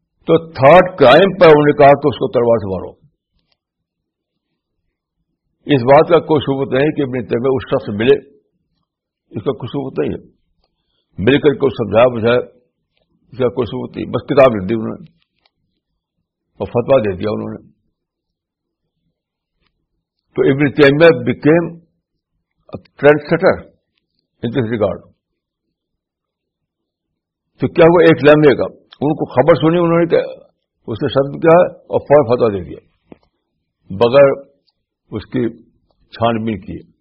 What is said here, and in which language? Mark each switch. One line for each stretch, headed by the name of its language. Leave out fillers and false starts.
Urdu: تو thought crime پر انہوں نے کہا تو اس کو تلوار سے مارو. اس بات کا کوئی ثبوت نہیں کہ ابن تیمیہ اس شخص سے ملے, اس کا کوئی ثبوت نہیں ہے. مل کر کے سمجھایا بجھایا, اس کا کوئی ثبوت نہیں. بس کتاب لکھ دی انہوں نے اور فتویٰ دے دیا انہوں نے.
English: تو Ibn Taymiyyah became trend setter in this regard.
Urdu: تو کیا ہوا, ایک لمحے کا ان کو خبر سنی انہوں نے کہ اس نے شتم کیا اور فوراً فتویٰ دے دیا بغیر اس کی چھان بین کیے.